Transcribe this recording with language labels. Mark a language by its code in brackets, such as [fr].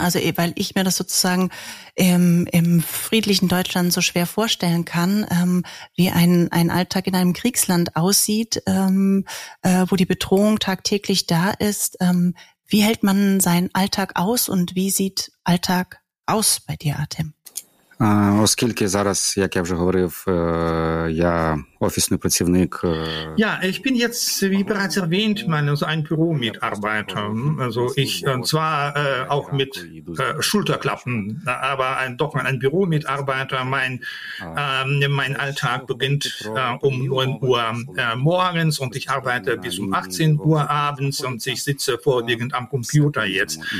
[de] Also, weil ich mir das sozusagen im friedlichen Deutschland so schwer vorstellen kann, wie ein Alltag in einem Kriegsland aussieht, wo die Bedrohung tagtäglich da ist. Wie hält man seinen Alltag aus und wie sieht Alltag aus bei dir, Artem? [uk] Оскільки зараз, як я вже говорив, я офісний працівник. [de] Ja, ich bin jetzt, wie bereits erwähnt, so ein Büromitarbeiter. Also ich zwar auch mit Schulterklappen, aber doch ein Büromitarbeiter. Mein Alltag beginnt um 9 Uhr morgens und ich arbeite bis um 18 Uhr abends und ich sitze vorwiegend am Computer jetzt.